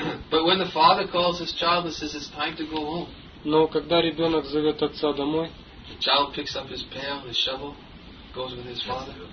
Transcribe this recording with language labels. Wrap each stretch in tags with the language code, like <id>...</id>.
<en>But when the father calls his child and says it's time to go home,</en> <ru>но когда ребенок зовет отца домой,</ru> <en>the child picks up his pail, his shovel, goes with his father.</en>